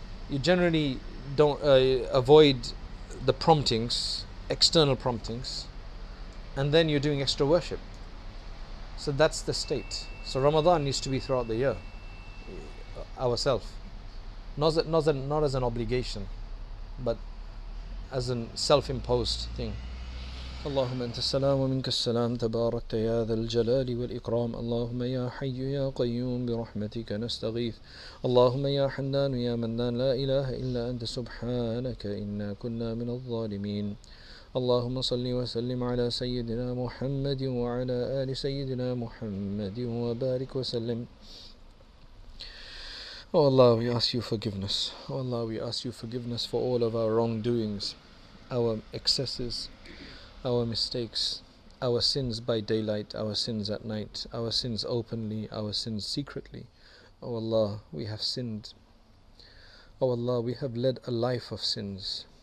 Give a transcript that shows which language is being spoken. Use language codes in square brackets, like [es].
[en] You generally don't avoid the promptings, external promptings, and then you're doing extra worship. So that's the state. So Ramadan needs to be throughout the year. Not as an obligation, but as a self-imposed thing. [ar] اللهم أنت السلام ومنك السلام تباركت يا ذا الجلال والإكرام اللهم يا حي يا قيوم برحمتك نستغيث اللهم يا حنان يا منان لا إله إلا أنت سبحانك إنا كنا من الظالمين اللهم صل وسلم على سيدنا محمد وعلى آل سيدنا محمد وبارك وسلم. [en] Oh Allah, we ask you forgiveness. Oh Allah, we ask you forgiveness for all of our wrongdoings, our excesses, our mistakes, our sins by daylight, our sins at night, our sins openly, our sins secretly. Oh Allah, we have sinned. Oh Allah, we have led a life of sins.